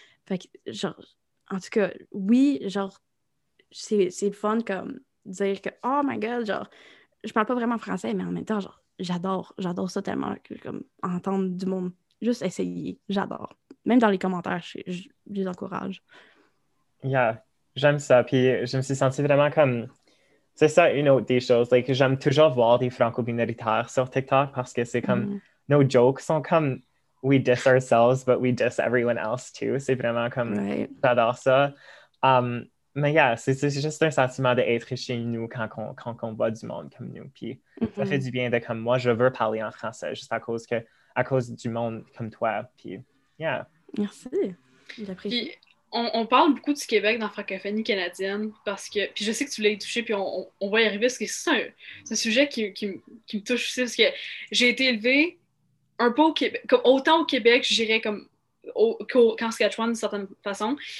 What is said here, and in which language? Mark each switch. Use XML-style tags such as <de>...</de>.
<fr>Fait que, genre, en tout cas, oui, genre, c'est le fun, comme, dire que, oh my god, genre, je parle pas vraiment français, mais en même temps, genre, j'adore ça tellement, que, comme, entendre du monde juste essayer, j'adore. Même dans les commentaires, je les encourage. Yeah, j'aime ça. Puis je me suis sentie vraiment comme... C'est ça une autre des choses. Like, j'aime toujours voir des franco-minoritaires sur TikTok parce que c'est comme... Nos jokes sont comme...</fr> <en>We diss ourselves, but we diss everyone else too.</en> <fr>C'est vraiment comme...</fr> <en>Right.</en> <fr>J'adore ça. Mais yeah, c'est juste un sentiment d'être chez nous quand on voit du monde comme nous. Puis ça fait du bien de comme... Moi, je veux parler en français juste à cause du monde comme toi. Puis yeah. Merci. J'apprécie. Puis... On parle beaucoup du Québec dans la francophonie canadienne parce que, puis je sais que tu voulais y toucher, puis on va y arriver parce que c'est un sujet qui me touche aussi parce que j'ai été élevée un peu au Québec, comme autant au Québec, je dirais, qu'en Saskatchewan d'une certaine façon.</fr>